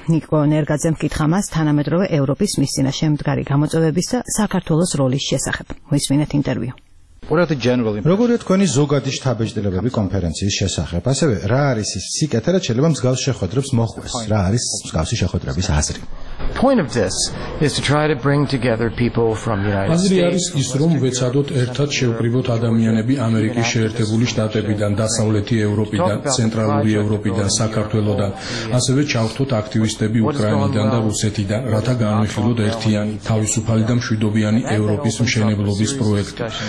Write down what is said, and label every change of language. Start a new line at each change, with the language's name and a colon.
Georgian: ნიკო ნერგაძემ კითხა მას თანამედროვე ევროპის მისინა შემდგარი გამოწვევების და საქართველოს როლის შესახებ. მოისმინეთ ინტერვიუ. როგორია თქვენი ზოგადი შთაბეჭდილებები კონფერენციის შესახებ? ასევე, რა არის ის სიკეთე, რაც შეიძლება მსგავს შეხვედრებს მოხდეს? რა არის მსგავსი შეხვედრების აზრი?
English: Point of this is to try to bring together people from the United States.
Georgian: აზრი არის ის, რომ ვეცადოთ ერთად შევკრიბოთ ადამიანები ამერიკის შეერთებული შტატებიდან, დასავლეთი ევროპიდან, ცენტრალური ევროპიდან, საქართველოდან, ასევე ჩავხვდეთ აქტივისტები უკრაინიდან და რუსეთიდან, რათა განვიხილოთ ერთიანი, თავისუფალი და მშვიდობიანი ევროპის მშენებლობის პროექტი.